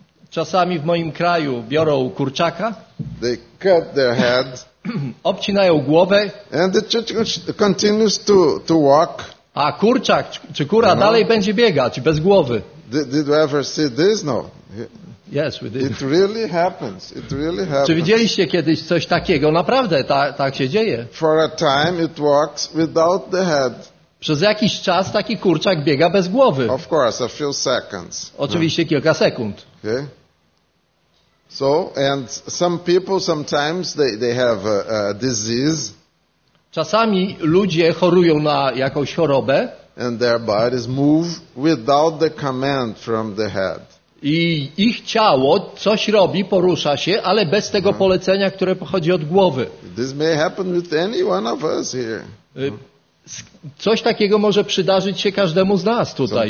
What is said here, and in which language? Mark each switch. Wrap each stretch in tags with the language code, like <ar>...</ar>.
<pl>Czasami w moim kraju biorą kurczaka.</pl> <en>They cut their head.</en> <pl>Obcinają głowę.</pl> <en>And the chicken continues to walk.</en> <pl>A kurczak czy kura dalej będzie biegać bez głowy.</pl> <en>Did you ever see this? No. Yes, we did. It really happens. It really happens.</en> <pl>Czy widzieliście kiedyś coś takiego? Naprawdę tak się dzieje.</pl> <en>For a time it walks without the head.</en> <pl>Przez jakiś czas taki kurczak biega bez głowy.</pl> <en>Of course, a few seconds.</en> <pl>Oczywiście kilka sekund.</pl> <en>Okay. So, and some people sometimes they have a disease.</en> <pl>Czasami ludzie chorują na jakąś chorobę.</pl> <en>And their bodies move without the command from the head.</en> <pl>I ich ciało coś robi, porusza się, ale bez tego polecenia, które pochodzi od głowy.</pl> <en>This may happen with any one of us here.</en> <pl>Coś takiego może przydarzyć się każdemu z nas tutaj.</pl>